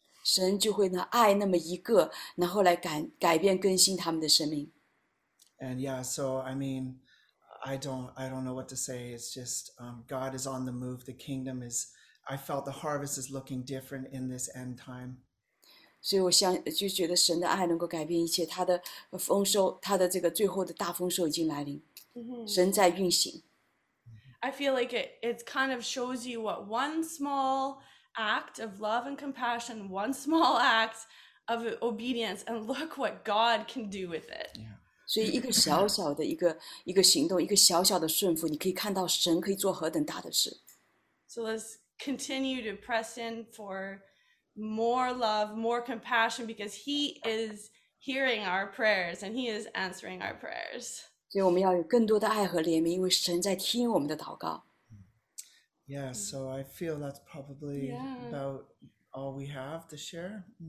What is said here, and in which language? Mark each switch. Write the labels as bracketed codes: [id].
[zh] 神就会呢爱那么一个，然后来改变更新他们的生命。 [en] And yeah, so I mean, I don't know what to say. It's just God is on the move. The kingdom is. I felt the harvest is looking different in this end time. [zh] 所以我想就觉得神的爱能够改变一切，他的丰收，他的这个最后的大丰收已经来临，神在运行。 [en] I feel like it kind of shows you what one small act of love and compassion, one small act of obedience, and look what God can do with it. Yeah. [zh] 所以一个小小的一个行动，一个小小的顺服，你可以看到神可以做何等大的事。 [en] So let's continue to press in for more love, more compassion, because He is hearing our prayers and He is answering our prayers. So we need more love and compassion because God is listening to our prayers. Yeah, so I feel that's probably about all we have to share.